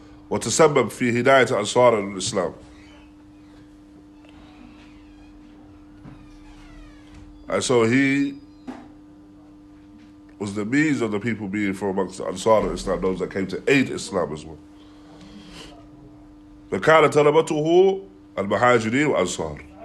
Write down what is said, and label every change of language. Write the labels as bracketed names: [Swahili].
[Arabic] وتسبب في هداية أنصار الإسلام. [English] And so he was the means of the people being from amongst the Ansar of Islam, those that came to aid Islam as well. [Arabic] فكان طلبته المهاجرين والأنصار.